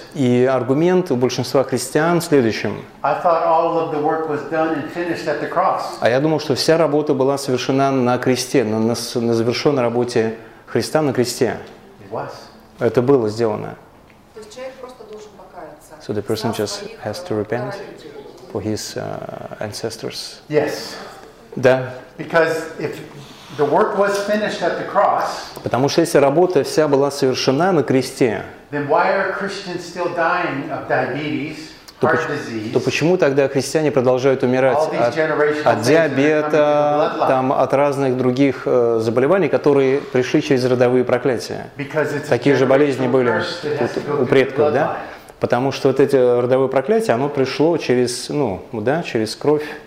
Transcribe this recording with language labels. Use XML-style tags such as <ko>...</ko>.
<ru>И аргумент у большинства христиан в следующем.</ru> <en>I thought all of the work was done and finished at the cross.</en> <ru>А я думал, что вся работа была совершена на кресте, на завершенной работе Христа на кресте.</ru> <en>It was.</en> <ru>Это было сделано. То есть человек просто должен покаяться.</ru> <en>So the person just has to repent. for his ancestors. Yes.</en> <ru>Да.</ru> <en>Because if the work was finished at the cross.</en> <ru>Потому что если работа вся была совершена на кресте.</ru> <en>Then why are Christians still dying of diabetes?</en> <ru>То почему тогда христиане продолжают умирать от диабета, там, от разных других заболеваний, которые пришли через родовые проклятия? Такие же болезни были у предков, да? Потому что вот эти родовые проклятия, оно пришло через, ну, да, через кровь.</ru>